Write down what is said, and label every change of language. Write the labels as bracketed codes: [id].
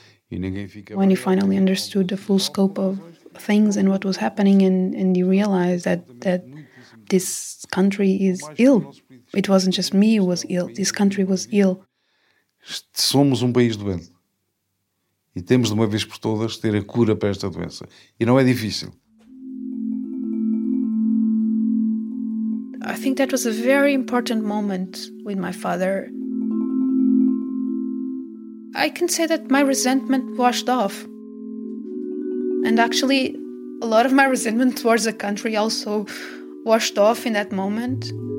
[en] When you finally understood the full scope of things and what was happening and you realized that this country is ill. It wasn't just me who was ill. This country was ill. [pt] Somos país doente. E temos, de uma vez por todas, ter a cura para esta doença. E não é difícil. [en] I think that was a very important moment with my father. I can say that my resentment washed off. And actually, a lot of my resentment towards the country also washed off in that moment.